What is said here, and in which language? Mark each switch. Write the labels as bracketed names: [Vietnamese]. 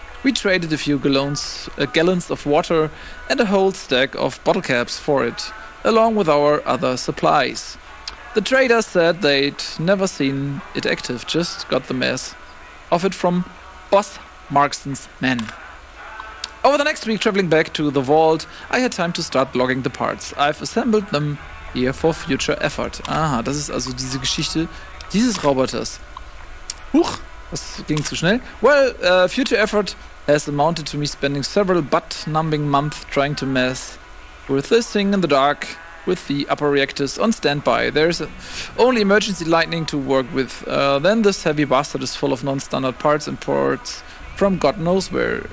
[English] We traded a few gallons of water and a whole stack of bottle caps for it, along with our other supplies. The trader said they'd never seen it active, just got the mess of it from Boss Markson's men. Over the next week, traveling back to the vault, I had time to start logging the parts. I've assembled them here for future effort. [German] Aha, das ist also diese Geschichte dieses Roboters. Huch, das ging zu schnell. [English] Well, future effort has amounted to me spending several butt-numbing months trying to mess with this thing in the dark. With the upper reactors on standby, there's only emergency lightning to work with. Then this heavy bastard is full of non-standard parts and ports from God knows where.